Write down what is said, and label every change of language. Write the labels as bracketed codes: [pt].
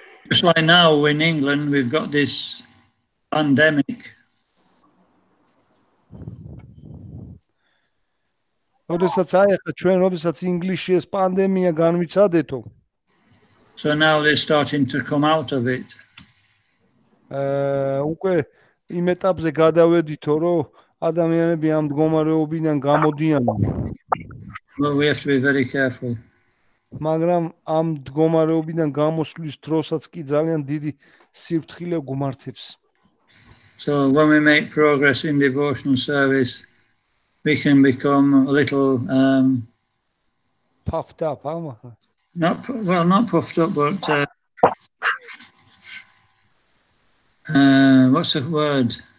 [en] Just like now in England we've got this pandemic [ka] როდესაც აი ახლა ჩვენ როდესაც ინგლისში ეს პანდემია განვიცადეთო [en] So now they're starting to come out of it [ka] უკვე იმ ეტაპზე გადავედითო რომ ადამიანები ამ მდგომარეობიდან გამოდიან [en] Well, we have to be very careful [ka] მაგრამ ამ მდგომარეობიდან გამოსვლის დროსაც კი ძალიან დიდი სიფრთხილე გუმართებს [en] So when we make progress in devotional service, we can become a little puffed up. Huh? Not puffed up, but what's the word?